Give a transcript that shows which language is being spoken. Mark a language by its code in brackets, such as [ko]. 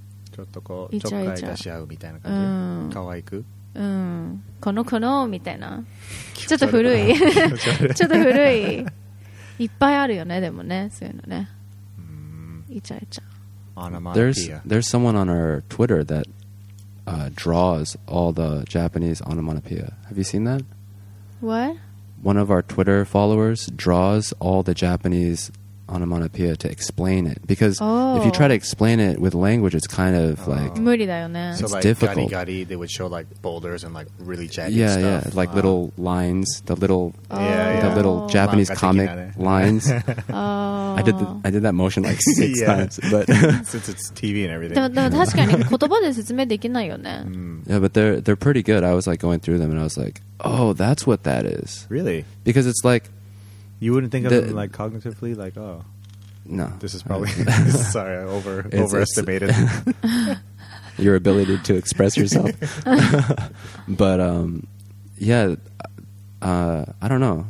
[ja] ちょっとこうちょっかい出し合うみたいな感じ。可愛く。このみたいな。ちょっと古い。ちょっと古い。いっぱいあるよねでもねそういうのね。イチャイチャ。 [en] onomatopoeia. There's someone on our Twitter that draws all the Japanese onomatopoeia. Have you seen that? What? One of our Twitter followers draws all the Japanese onomatopoeia to explain it. Because if you try to explain it with language, it's kind of like... [ja] 無理だよね. [en] It's difficult. So like gari-gari, they would show like boulders and like really jagged yeah, stuff. Yeah, yeah. Like little lines, the little Japanese comic lines. I did that motion like six times. But since it's TV and everything. [ja] でも確かに言葉で説明できないよね。 [en] Yeah, but they're pretty good. I was like going through them and I was like, oh, that's what that is. Really? Because it's like... You wouldn't think of it like cognitively, like, oh. No. This is probably, sorry, overestimated. Your ability to express yourself. But, I don't know.